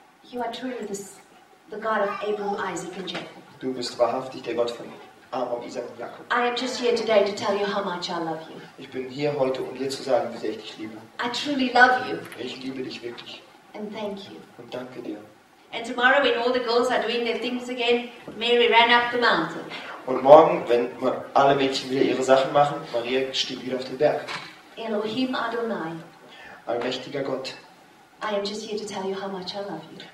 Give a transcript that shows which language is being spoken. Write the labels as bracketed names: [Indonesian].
[English] You are truly the God of Abraham, Isaac and Jacob. [German] Du bist wahrhaftig der Gott von Abraham, Isaac und Jakob. [English] I am just here today to tell you how much I love you. [German] Ich bin hier heute, um dir zu sagen, wie sehr ich dich liebe. [English] I truly love you. [German] Ich liebe dich wirklich. [English] And thank you. [German] Und danke dir. [English] And tomorrow, when all the girls are doing their things again, Mary ran up the mountain. [German] Und morgen, wenn alle Mädchen wieder ihre Sachen machen, Maria stieg wieder auf den Berg. [Hebrew] Elohim Adonai. [German] Allmächtiger Gott. [English] I am just here to tell you how much I love you.